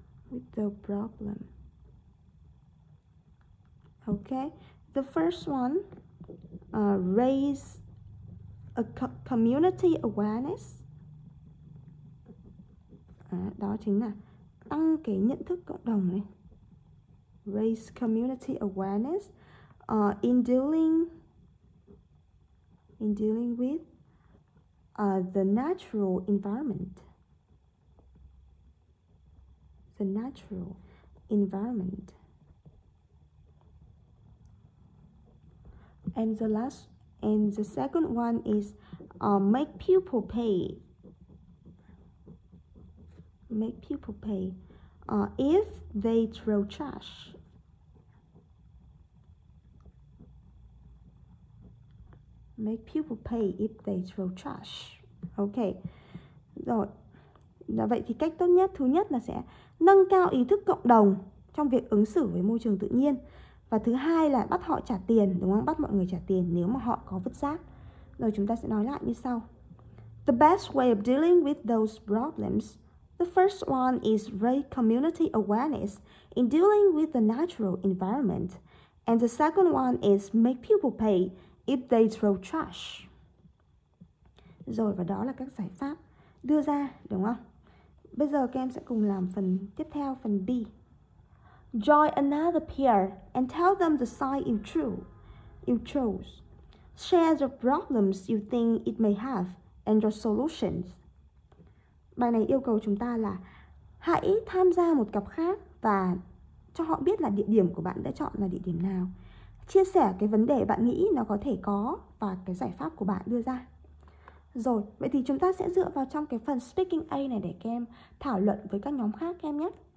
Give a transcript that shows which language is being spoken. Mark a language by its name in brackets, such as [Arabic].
[English] With the problem. Okay, the first one, raise a community awareness. [Vietnamese] Đó chính là tăng cái nhận thức cộng đồng này. [English] Raise community awareness in dealing with the natural environment. The natural environment. And the last, and the second one is make people pay. Make people pay if they throw trash. Make people pay if they throw trash. Okay. Rồi. [Vietnamese] Đó, vậy thì cách tốt nhất, thứ nhất là sẽ nâng cao ý thức cộng đồng trong việc ứng xử với môi trường tự nhiên. Và thứ hai là bắt họ trả tiền, đúng không? Bắt mọi người trả tiền nếu mà họ có vứt rác. Rồi chúng ta sẽ nói lại như sau. [English] The best way of dealing with those problems. The first one is raise community awareness in dealing with the natural environment. And the second one is make people pay if they throw trash. [Vietnamese] Rồi và đó là các giải pháp đưa ra, đúng không? Bây giờ các em sẽ cùng làm phần tiếp theo, phần B. [English] Join another peer and tell them the side you chose. Share the problems you think it may have and your solutions. [Vietnamese] Bài này yêu cầu chúng ta là hãy tham gia một cặp khác và cho họ biết là địa điểm của bạn đã chọn là địa điểm nào. Chia sẻ cái vấn đề bạn nghĩ nó có thể có và cái giải pháp của bạn đưa ra. Rồi, vậy thì chúng ta sẽ dựa vào trong cái phần speaking A này để các em thảo luận với các nhóm khác em nhé.